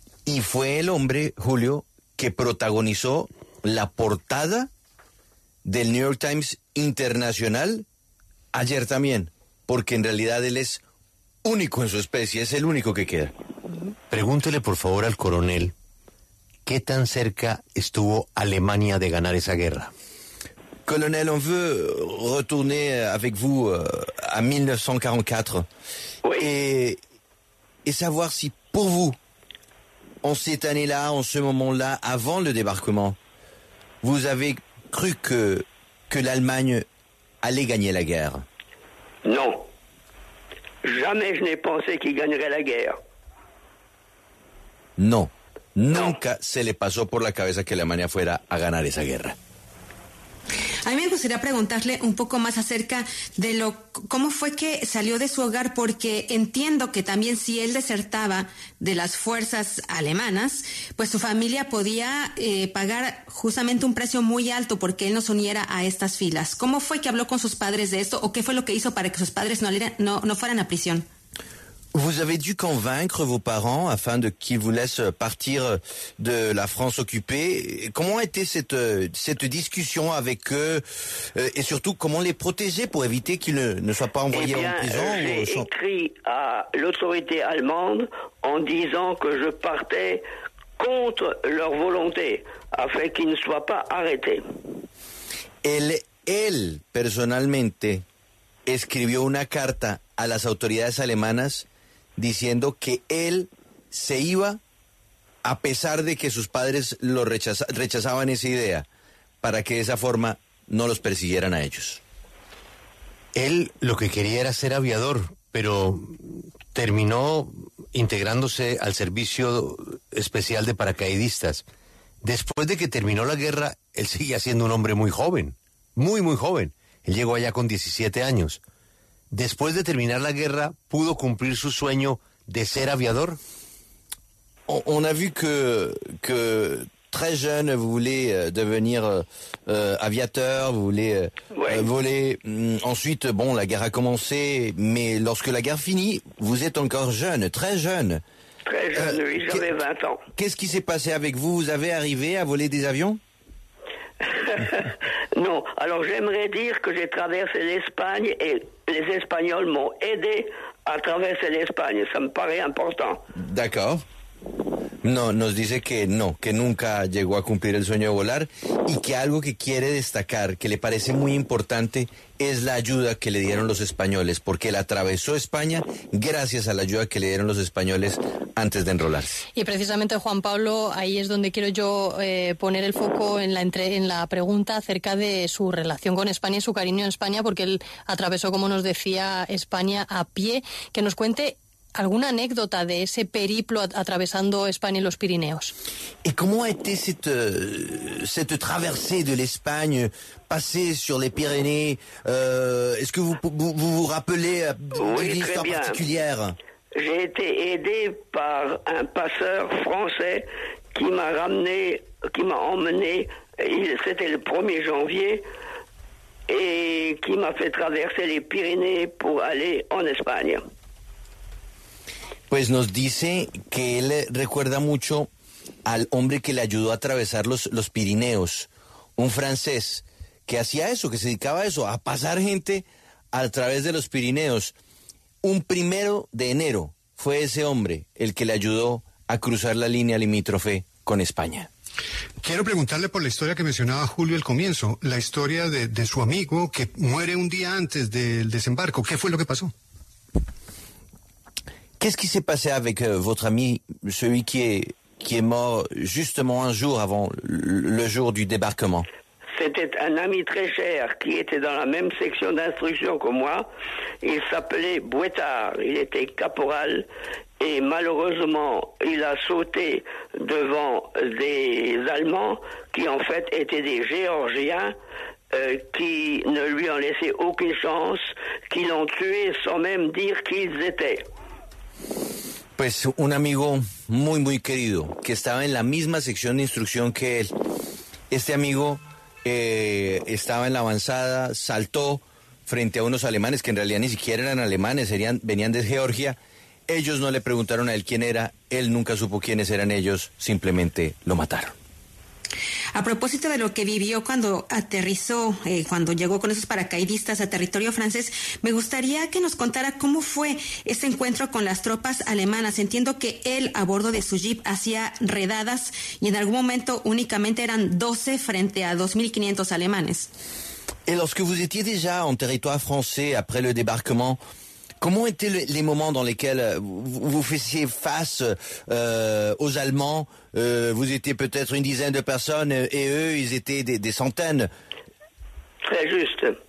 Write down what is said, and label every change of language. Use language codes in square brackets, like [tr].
[es] Y fue el hombre, Julio, que protagonizó la portada del New York Times Internacional ayer también, porque en realidad él es único en su especie, es el único que queda. Pregúntele, por favor, al coronel, ¿qué tan cerca estuvo Alemania de ganar esa guerra? [fr] Colonel, on veut retourner avec vous en 1944. Oui. Et savoir si pour vous, en cette année-là, en ce moment-là, avant le débarquement, vous avez cru que l'Allemagne allait gagner la guerre. Non. Jamais je n'ai pensé qu'il gagnerait la guerre. Non. [es] Nunca se le pasó por la cabeza que Alemania fuera a ganar esa guerra. A mí me gustaría preguntarle un poco más acerca de lo cómo fue que salió de su hogar, porque entiendo que también si él desertaba de las fuerzas alemanas, pues su familia podía pagar justamente un precio muy alto porque él no se uniera a estas filas. ¿Cómo fue que habló con sus padres de esto o qué fue lo que hizo para que sus padres no fueran a prisión? [fr] Vous avez dû convaincre vos parents afin de qu'ils vous laissent partir de la France occupée. Comment était cette discussion avec eux et surtout comment les protéger pour éviter qu'ils ne soient pas envoyés en prison? J'ai écrit à l'autorité allemande en disant que je partais contre leur volonté afin qu'ils ne soient pas arrêtés. [es] Él personalmente escribió una carta a las autoridades alemanas diciendo que él se iba a pesar de que sus padres lo rechazaban esa idea, para que de esa forma no los persiguieran a ellos. Él lo que quería era ser aviador, pero terminó integrándose al servicio especial de paracaidistas. Después de que terminó la guerra, él seguía siendo un hombre muy joven, muy muy joven. Él llegó allá con 17 años. Después de terminar la guerra, ¿pudo cumplir su sueño de ser aviador? [fr] On a vu que très jeune, vous voulez devenir aviateur, vous voulez voler. Ensuite, bon, la guerre a commencé, mais lorsque la guerre finit, vous êtes encore jeune, très jeune. Très jeune, oui, j'avais 20 ans. Qu'est-ce qui s'est passé avec vous? Vous avez arrivé à voler des avions? Non, alors j'aimerais dire que j'ai traversé l'Espagne et les Espagnols m'ont aidé à traverser l'Espagne, ça me paraît important. D'accord. [es] No, nos dice que no, que nunca llegó a cumplir el sueño de volar y que algo que quiere destacar, que le parece muy importante, es la ayuda que le dieron los españoles, porque él atravesó España gracias a la ayuda que le dieron los españoles antes de enrolarse. Y precisamente, Juan Pablo, ahí es donde quiero yo poner el foco en la pregunta acerca de su relación con España y su cariño en España, porque él atravesó, como nos decía, España a pie. Que nos cuente alguna anécdota de ese periplo atravesando España y los Pirineos. ¿Y cómo ha [fr] été cette traversée de l'Espagne, passée sur les Pyrénées? Est-ce que vous vous rappelez d'une histoire particulière? J'ai été aidé par un passeur français qui m'a emmené, c'était le 1er janvier, et qui m'a fait traverser les Pyrénées pour aller en Espagne. [es] Pues nos dice que él recuerda mucho al hombre que le ayudó a atravesar los Pirineos, un francés que hacía eso, que se dedicaba a eso, a pasar gente a través de los Pirineos. Un 1 de enero fue ese hombre el que le ayudó a cruzar la línea limítrofe con España. Quiero preguntarle por la historia que mencionaba Julio al comienzo, la historia de su amigo que muere un día antes del desembarco. ¿Qué fue lo que pasó? [fr] Qu'est-ce qui s'est passé avec votre ami, celui qui est mort justement un jour avant le jour du débarquement? C'était un ami très cher qui était dans la même section d'instruction que moi. Il s'appelait Bouettard, il était caporal et malheureusement il a sauté devant des Allemands qui en fait étaient des Géorgiens qui ne lui ont laissé aucune chance, qui l'ont tué sans même dire qui ils étaient. [es] Pues un amigo muy muy querido que estaba en la misma sección de instrucción que él. Este amigo estaba en la avanzada, saltó frente a unos alemanes que en realidad ni siquiera eran alemanes, venían de Georgia. Ellos no le preguntaron a él quién era, él nunca supo quiénes eran ellos, simplemente lo mataron. A propósito de lo que vivió cuando aterrizó, cuando llegó con esos paracaidistas a territorio francés, me gustaría que nos contara cómo fue ese encuentro con las tropas alemanas. Entiendo que él, a bordo de su jeep, hacía redadas y en algún momento únicamente eran 12 frente a 2.500 alemanes. [fr] Y lorsque vous étiez déjà en territoire français après le débarquement, comment étaient les moments dans lesquels vous faisiez face aux Allemands? Vous étiez peut-être une dizaine de personnes et eux, ils étaient des centaines. Très juste.